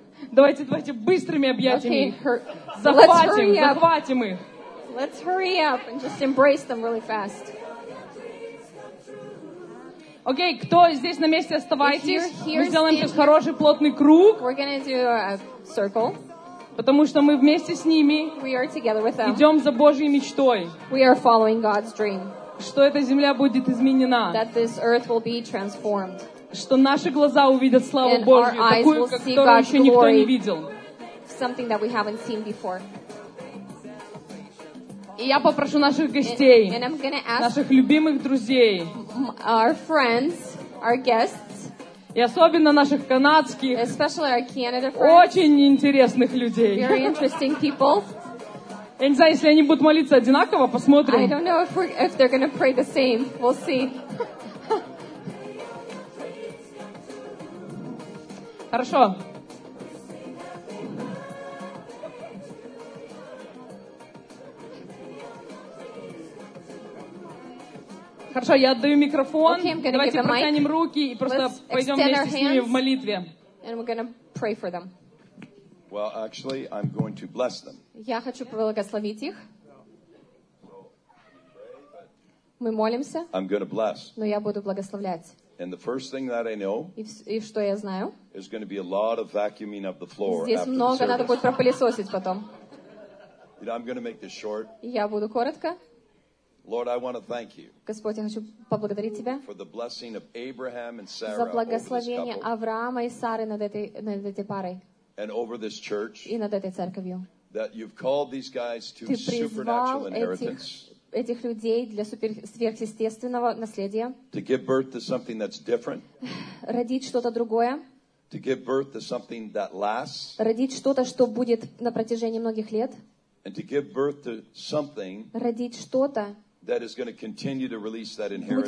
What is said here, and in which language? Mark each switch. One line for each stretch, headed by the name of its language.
Russian: Давайте быстрыми объятиями
English: okay,
Russian: захватим их.
English: Let's hurry up and just embrace them really fast.
Russian: Окей, кто здесь на месте, оставайтесь. Мы сделаем сейчас хороший плотный круг.
English: We're gonna do a circle.
Russian: Потому что мы вместе с ними идем за Божьей мечтой.
English: We are following God's dream.
Russian: Что эта земля будет изменена.
English: That this earth will be transformed.
Russian: Что наши глаза увидят славу
English: And
Russian: Божью, такую, которую еще никто не видел.
English: Something that we haven't seen before.
Russian: И я попрошу наших гостей, наших любимых друзей,
English: our friends, our guests,
Russian: и особенно наших канадских,
English: especially our Canada friends,
Russian: очень интересных людей.
English: Very interesting people.
Russian: Я не знаю, если они будут молиться одинаково, посмотрим.
English: I don't know if they're gonna pray the same. We'll see.
Russian: Хорошо. Хорошо, я отдаю микрофон.
English: Okay,
Russian: давайте протянем
English: mic.
Russian: Руки и просто
English: Let's
Russian: пойдем вместе с ними в молитве.
English: And we're gonna pray for them. Well, actually, I'm going to bless them.
Russian: Я хочу благословить их. Мы молимся.
English: I'm gonna bless.
Russian: Но я буду благословлять.
English: And the first thing that I know is
Russian: что я знаю,
English: is going to be a lot of vacuuming of the floor after service.
Russian: Здесь много надо будет пропылесосить потом.
English: You know, I'm going to make this short.
Russian: Я буду коротко.
English: Lord, I want to thank you.
Russian: Господь, я хочу поблагодарить тебя
English: for the blessing of Abraham and Sarah.
Russian: За благословение Авраама и Сары над этой парой.
English: And over this church.
Russian: И над этой церковью.
English: That you've called these guys to supernatural inheritance.
Russian: Этих людей для сверхъестественного наследия.
English: To give birth to something that's different.
Russian: Родить что-то другое.
English: To give birth to something that lasts.
Russian: Родить что-то, что будет на протяжении многих лет.
English: And to give birth to something.
Russian: Родить что-то.
English: That is going to continue to release that inheritance.